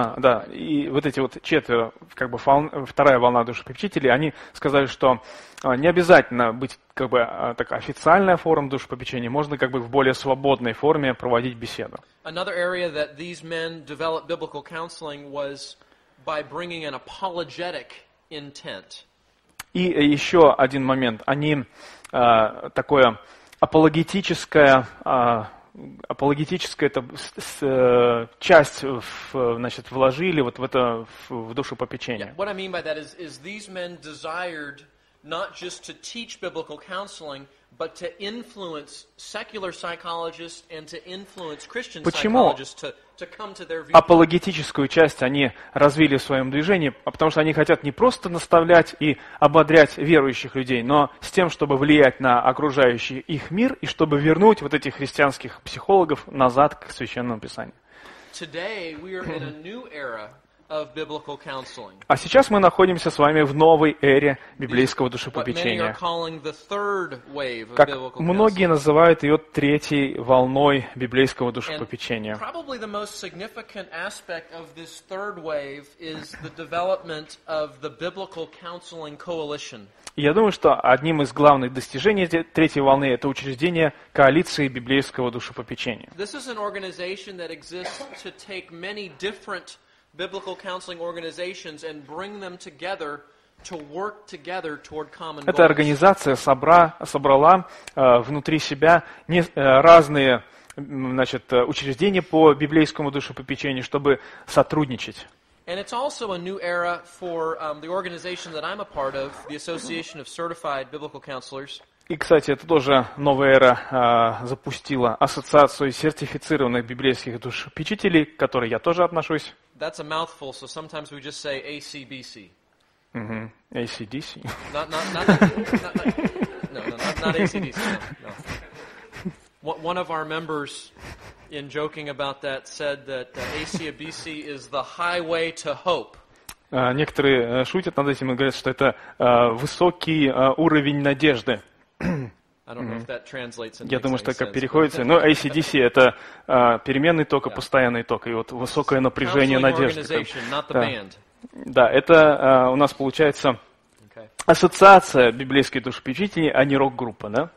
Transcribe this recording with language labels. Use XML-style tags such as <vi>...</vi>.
<ru>Да, и вот эти вот четверо, как бы вторая волна душепопечителей, они сказали, что не обязательно быть как бы так официальная форма душепопечения, можно как бы в более свободной форме проводить беседу.</ru> <en>Another area that these men developed biblical counseling was by bringing an apologetic intent.</en> <ru>И еще один момент, они такое апологетическое апологетическая это часть значит, вложили вот в это в душу попечения.</ru> <en>Yeah, what I mean by that is these men desired not just to teach biblical counseling, but to influence secular psychologists and to influence Christian psychologists to come to their view.</en> <ru>Почему апологетическую часть они развили в своем движении? Потому что они хотят не просто наставлять и ободрять верующих людей, но с тем, чтобы влиять на окружающий их мир и чтобы вернуть вот этих христианских психологов назад к Священному Писанию.</ru> <en>Today we are in a new era of biblical counseling.</en> <ru>А сейчас мы находимся с вами в новой эре библейского душепопечения.</ru> <en>What many are calling the third wave of</en> <ru>как</ru> <en>biblical counseling.</en> <ru>Многие называют ее третьей волной библейского душепопечения.</ru> <en>And probably the most significant aspect of this third wave is the development of the biblical counseling coalition.</en> <ru>Я думаю, что одним из главных достижений третьей волны это учреждение коалиции библейского душепопечения.</ru> <en>This is an organization that exists to take many different biblical counseling organizations and bring them together to work together toward common goals.</en> <ru>Эта организация собрала внутри себя разные учреждения по библейскому душепопечению, чтобы сотрудничать.</ru> <en>And it's also a new era for the organization that I'm a part of, the Association of Certified Biblical Counselors.</en> <ru>И, кстати, это тоже новая эра запустила ассоциацию сертифицированных библейских душепопечителей, к которой я тоже отношусь.</ru> <en>That's a mouthful, so sometimes we just say ACBC. Mm-hmm. ACDC. Not ACDC. One of our members, in joking about that, said that ACBC is the highway to hope.</en> <ru>Некоторые шутят над этим и говорят, что это высокий уровень надежды.</ru> <en>I don't know if that translates into.</en> <ru>Я думаю, что как переходится. Но ACDC — это переменный ток и постоянный ток, и вот высокое напряжение надежды. Да, это у нас получается ассоциация библейских душепопечителей, а не рок-группа, да?</ru>